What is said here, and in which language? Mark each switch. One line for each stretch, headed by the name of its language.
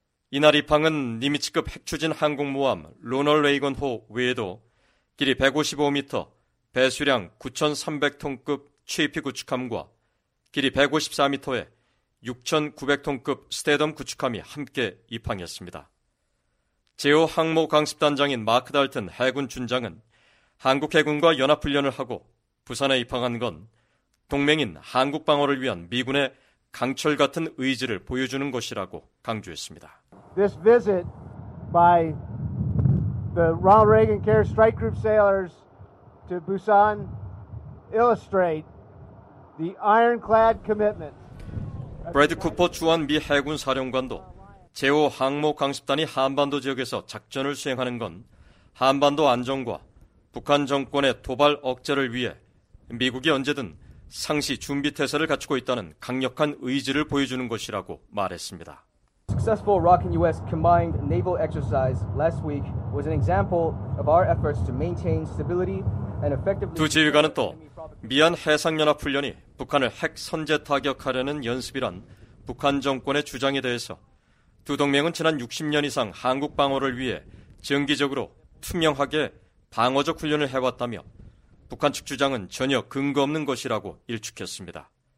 Korean: 이날 입항은 니미츠급 핵추진 항공모함 로널드 레이건호 외에도 길이 155m, 배수량 9,300톤급 최피 구축함과 길이 154m의 6,900톤급 스테덤 구축함이 함께 입항했습니다. 제5 항모 강습단장인 마크 달튼 해군 준장은 한국 해군과 연합훈련을 하고 부산에 입항한 건 동맹인 한국 방어를 위한 미군의 강철 같은 의지를 보여주는 것이라고 강조했습니다.
English: This visit by the Ronald Reagan Carrier Strike Group sailors to Busan illustrate the ironclad commitment.
Korean: 브래드 쿠퍼 주한 미 해군 사령관도 제5 항모 강습단이 한반도 지역에서 작전을 수행하는 건 한반도 안정과 북한 정권의 도발 억제를 위해 미국이 언제든 상시 준비태세를 갖추고 있다는 강력한 의지를 보여주는 것이라고 말했습니다.
English: Successful ROC and U.S. combined naval exercise last week was an example of our efforts to maintain stability and effectively...
Korean: 두 지휘관은 또 미한 해상연합훈련이 북한을 핵 선제 타격하려는 연습이란 북한 정권의 주장에 대해서 두 동맹은 지난 60년 이상 한국 방어를 위해 정기적으로 투명하게 방어적 훈련을 해왔다며 북한 측 주장은 전혀 근거 없는 것이라고 일축했습니다.